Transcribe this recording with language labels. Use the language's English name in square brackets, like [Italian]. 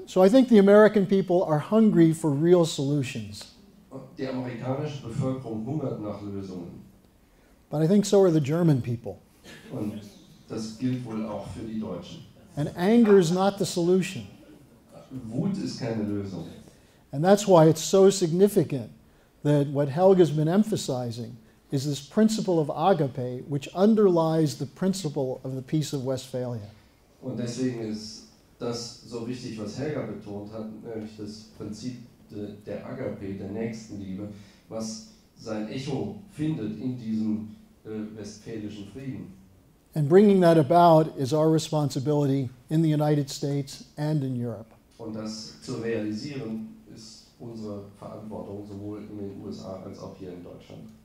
[English] So I think the American people are hungry for real solutions. [German] Die amerikanische Bevölkerung hungert nach Lösungen. [English] But I think so are the German people. [German] Und das gilt wohl auch für die Deutschen. [English] And anger is not the solution. [German] Wut ist keine Lösung. [English] And that's why it's so significant that what Helga's been emphasizing is this principle of agape, which underlies the principle of the Peace of Westphalia. [German] Und deswegen ist das so wichtig, was Helga betont hat, nämlich das Prinzip der Agape, der Nächstenliebe, was sein Echo findet in diesem westfälischen Frieden. [English] And bringing that about is our responsibility in the United States and in Europe. [German] Und das zu realisieren ist unsere Verantwortung sowohl in den USA als auch hier in Deutschland.